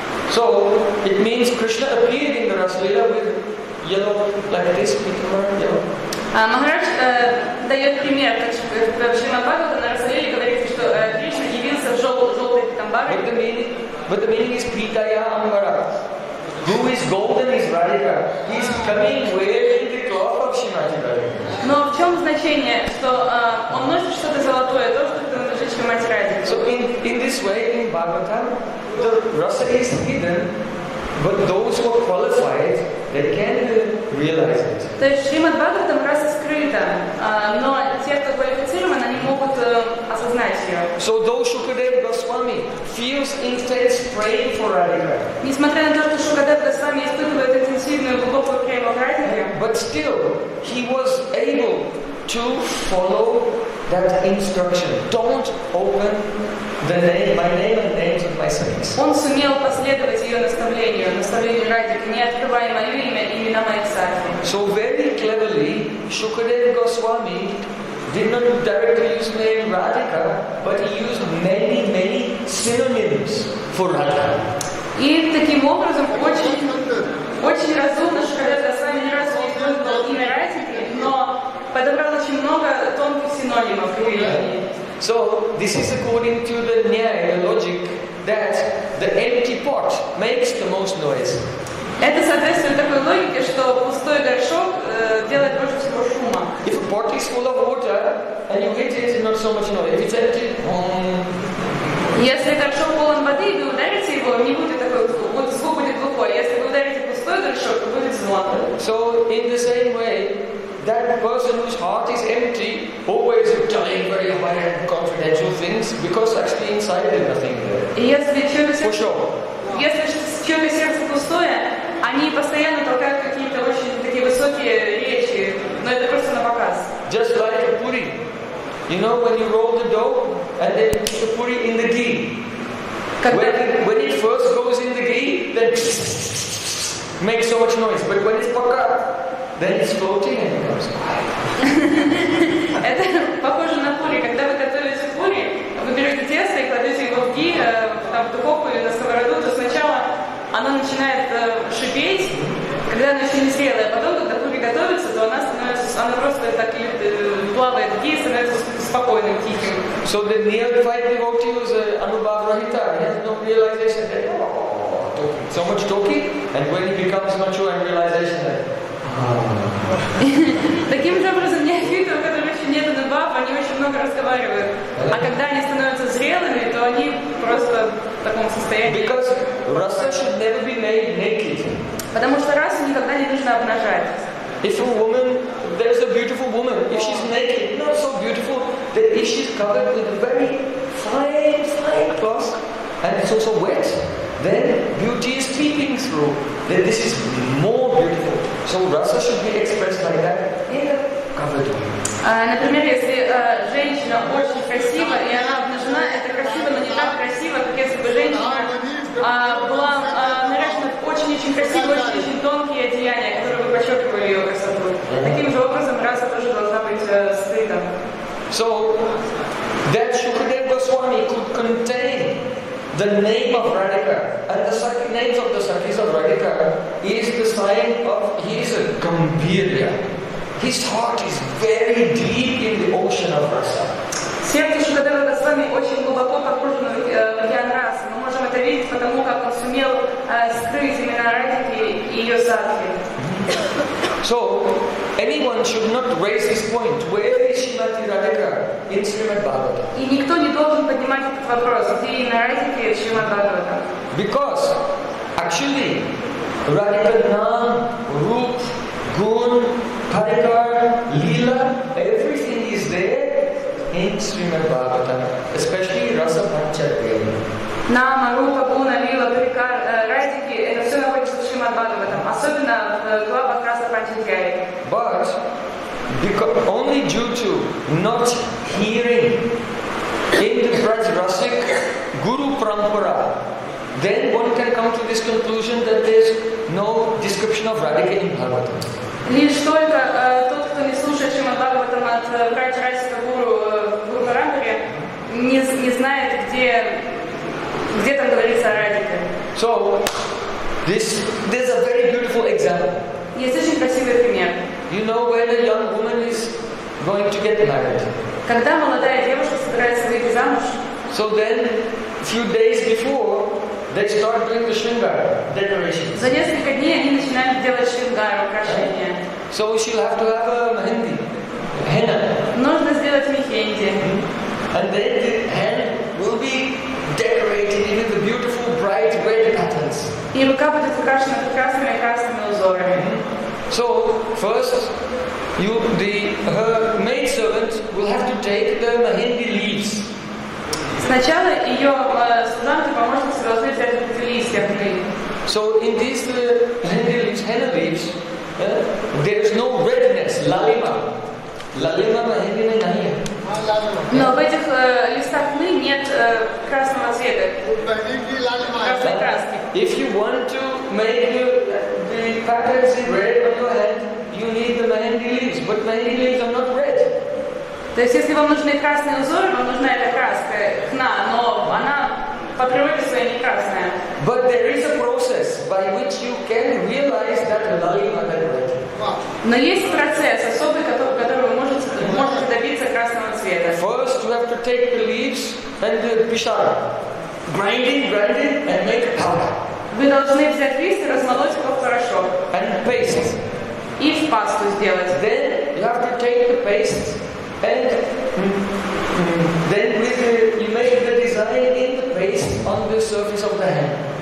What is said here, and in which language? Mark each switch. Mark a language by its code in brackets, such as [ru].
[en] So, it means Krishna appeared in the Rasalila with yellow, like this, Pitam Bharadaras yellow. [ru] Maharaj дает пример, как Шрима Бхагавата на Расалиле говорит, что Кришна явился в желтой Питам [en] Бхарадаре. But the meaning is Pitaya Ambara. Who is golden is Radhika. He is coming wearing the cloth of Shrimati Radhika. [ru] Но в чем значение, что он носит что-то золотое, то, что ты носишь Шримати Радхике? [en] So in this way, in Bhagavatam, the rasa is hidden, but those who are qualified, they can realize it. [ru] То есть Шримад Бхагаватам раса скрыта, но те, кто квалифицирован, они могут осознать ее. [en] So though Shukadeva Goswami feels intense praying for Radhika. [ru] Несмотря на то, что Шукадев Госвами испытывает интенсивную глубокую прему к Радхике, [en] but still, he was able to follow that instruction. Don't open the name, my name and names of my sakhis. [ru] Он сумел последовать ее наставлению, наставлению Радхики, не открывая мое имя и имена моих сакхи. [en] So very cleverly, Shukadeva Goswami did not directly use the name Radhika, but he used many, many synonyms for Radha. [ru] И таким образом очень разумно Шукадева Госвами не раз использовал имя Радхики, но подобрал очень много тонких синонимов. [en] So this is according to the Nyaya logic that the empty pot makes the most noise. [ru] Это соответствует такой логике, что пустой горшок делает больше всего шума. [en] If a pot is full of water and you hit it, not so much noise. If it's empty, [ru] Если горшок полон воды и вы ударите его, не будет такой звук. Вот звук будет глухой. Если вы ударите пустой горшок, то будет звонко. [en] So in the same way, that person whose heart is empty always telling very high and confidential things because actually inside there's nothing there. For sure. [ru] Если человек сердце пустое, они постоянно толкают какие-то очень такие высокие речи, но это просто на показ. [en] Just like a puri. You know, when you roll the dough and then you put the puri in the ghee. When it first goes in the ghee, then makes so much noise. But when it's pakat, then it's floating and it comes quiet. [ru] Это похоже на пури. Когда вы готовите пури, вы берете тесто и кладете его в ги, там, в духовку или на сковороду, то сначала оно начинает шипеть, когда оно еще не зрело, а потом, когда пури готовится, то она становится, она просто так плавает в ги и становится спокойным, тихим. [en] So the neophyte devotee was Anubhavrahita. He has no realization that, so much talking, and when he becomes mature and realization that, [ru] таким же образом неофиты, у которых еще нет анубав, они очень много разговаривают. А когда они становятся зрелыми, то они просто в таком состоянии. [en] Because rasa should never be made naked. [ru] Потому что расу никогда не нужно обнажать. [en] If a woman, there's a beautiful woman, if she's naked, not so beautiful, then if she's covered with a very fine cloth, and it's also wet, then beauty is peeping through. Then this is more beautiful. So rasa should be expressed like that. Covered. [ru] Например, если женщина очень красива и она обнажена, это красиво, но не так красиво, как если бы женщина была наряжена в очень-очень красивые, очень-очень тонкие одеяния, которые бы подчеркивали ее красоту. Таким же образом раса тоже должна быть скрыта. [en] So that Shukadev Goswami could contain the name of Radhika and the names of the sakis of Radhika is the sign of he is a Gambhirya. His heart is very deep in the ocean of rasa. [ru] Сердце Шукадева Госвами очень глубоко погружено в океан расы. Мы можем это видеть потому, как он сумел скрыть имена Радхики и ее садхи. [en] So, anyone should not raise this point. Where is Shrimati Radhika in Srimad Bhagavatam? [ru] И никто не должен поднимать этот вопрос, где именно Радхика в Шримад Бхагаватам. [en] Because, actually, Radhika Naam, Roop, Gun, Parikar, Leela, everything is there in Srimad Bhagavatam. Especially Rasa Panchadeva. [ru] Naam, Roop, Gun, Leela, Parikar, Радхики, это все находится в Шримад Бхагаватам. Особенно в главах Раса Панчадеви. [en] But, because only due to not hearing in the Prajrasik Guru Parampara, then one can come to this conclusion that there is no description of Radhika in Bhagavatam. [ru] Лишь только тот, кто не слушает Шримад Бхагаватам от Прачарасика Гуру Парампаре, не знает, где там говорится о Радхике. [en] So, this is a very beautiful example. [ru] Есть очень красивый пример. [en] You know when a young woman is going to get married. [ru] Когда молодая девушка собирается выйти замуж. [en] So then, a few days before, they start doing the shringara decorations. [ru] За несколько дней они начинают делать шрингар, украшения. [en] So she'll have to have a mehendi, henna. [ru] Нужно сделать мехенди. [en] And then the henna will be decorated in the beautiful, bright, red patterns. [ru] И рука будет украшена прекрасными красными узорами. [en] So first, her maid servant will have to take the mehendi leaves. [ru] Сначала ее служанка помощница должна взять эти листья. [en] So in these henna leaves, there is no redness, lalima. [hi] Lalima mehendi mein nahi hai. [ru] Но в этих листах мы нет красного цвета. Красной краски. [en] If you want to make the patterns in red on your head, you need the mehendi leaves. But mehendi leaves are not red. [ru] То есть если вам нужны красные узоры, вам нужна эта краска, хна, но она по природе своей не красная. [en] But there is a process by which you can realize that lalima that red. [ru] Но есть процесс особый, который вы можете добиться. красного цвета. [en] First you have to take the leaves and the pishara. Grinding and make powder. [ru] Вы должны взять лист и размолоть его хорошо. [en] And paste. [ru] И в пасту сделать. [en] Then you have to take the paste and then with the, you make the design in the paste on the surface of the hand.